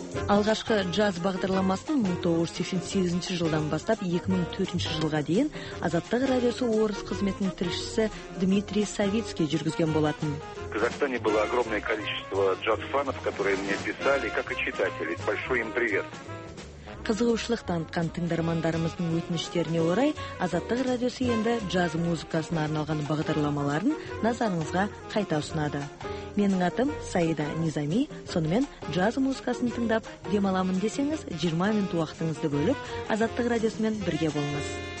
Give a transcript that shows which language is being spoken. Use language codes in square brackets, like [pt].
[kk] Алғашқы джаз бағдарламасын 1988 жылдан бастап 2004 жылға дейін Азаттық радиосы орыс қызметінің тілшісі Дмитрий Савицкий жүргізген болатын. [ru] В Казахстане было огромное количество джаз-фанов, которые мне писали, как и читатели. Большой им привет. [kk] Қызығушылық танытқан тыңдармандарымыздың өтініштеріне орай Азаттық радиосы енді джаз музыкасына арналған бағдарламаларын назарыңызға қайта ұсынады. Менің атым Саида Низами, сонымен джаз музыкасын тыңдап, демаламын десеңіз, 20 минут уақытыңызды бөліп, Азаттық радиосымен бірге болыңыз.